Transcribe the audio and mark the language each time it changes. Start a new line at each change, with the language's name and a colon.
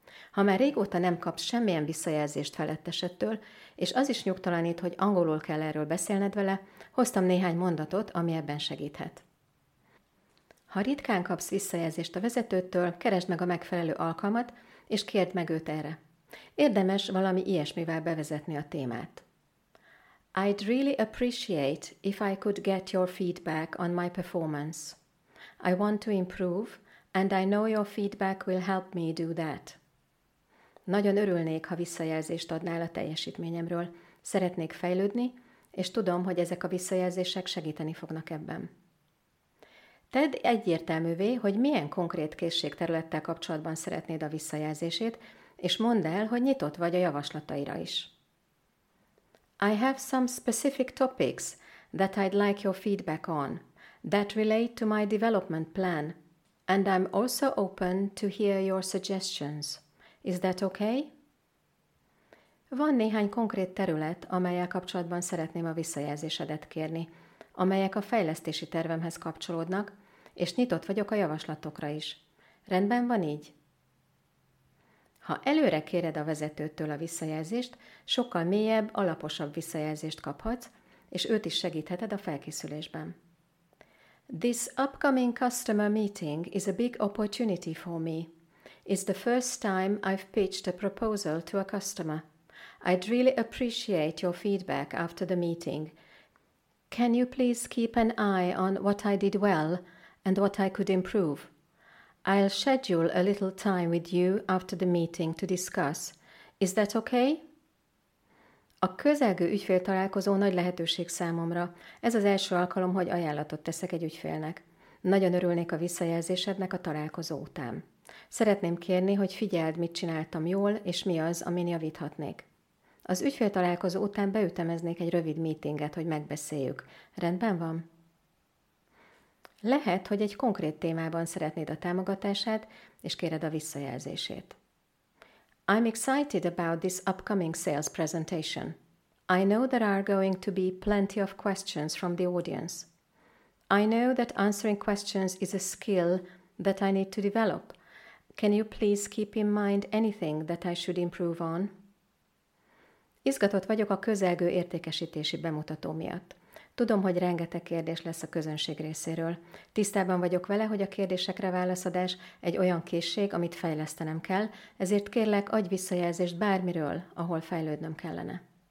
Hungarian: Ha már régóta nem kapsz semmilyen visszajelzést felettesedtől, és az is nyugtalanít, hogy angolul kell erről beszélned vele, hoztam néhány mondatot, ami ebben segíthet. Ha ritkán kapsz visszajelzést a vezetőtől, keresd meg a megfelelő alkalmat, és kérd meg őt erre. Érdemes valami ilyesmivel bevezetni a témát.
English: I'd really appreciate if I could get your feedback on my performance. I want to improve, and I know your feedback will help me do that.
Hungarian: Nagyon örülnék, ha visszajelzést adnál a teljesítményemről. Szeretnék fejlődni, és tudom, hogy ezek a visszajelzések segíteni fognak ebben. Tedd egyértelművé, hogy milyen konkrét készségterülettel kapcsolatban szeretnéd a visszajelzését, és mondd el, hogy nyitott vagy a javaslataira is.
English: I have some specific topics that I'd like your feedback on that relate to my development plan, and I'm also open to hear your suggestions. Is that okay?
Hungarian: Van néhány konkrét terület, amellyel kapcsolatban szeretném a visszajelzésedet kérni, amelyek a fejlesztési tervemhez kapcsolódnak, és nyitott vagyok a javaslatokra is. Rendben van így? Ha előre kéred a vezetőtől a visszajelzést, sokkal mélyebb, alaposabb visszajelzést kaphatsz, és őt is segítheted a felkészülésben.
English: This upcoming customer meeting is a big opportunity for me. It's the first time I've pitched a proposal to a customer. I'd really appreciate your feedback after the meeting. Can you please keep an eye on what I did well and what I could improve? I'll schedule a little time with you after the meeting to discuss. Is that okay?
Hungarian: A közelgő ügyfél találkozó nagy lehetőség számomra. Ez az első alkalom, hogy ajánlatot teszek egy ügyfélnek. Nagyon örülnék a visszajelzésednek a találkozó után. Szeretném kérni, hogy figyeld, mit csináltam jól, és mi az, amin javíthatnék. Az ügyfél találkozó után beütemeznék egy rövid meetinget, hogy megbeszéljük. Rendben van? Lehet, hogy egy konkrét témában szeretnéd a támogatását, és kéred a visszajelzését.
English: I'm excited about this upcoming sales presentation. I know there are going to be plenty of questions from the audience. I know that answering questions is a skill that I need to develop. Can you please keep in mind anything that I should improve on?
Hungarian: Izgatott vagyok a közelgő értékesítési bemutató miatt. Tudom, hogy rengeteg kérdés lesz a közönség részéről. Tisztában vagyok vele, hogy a kérdésekre válaszadás egy olyan készség, amit fejlesztenem kell, ezért kérlek, adj visszajelzést bármiről, ahol fejlődnöm kellene.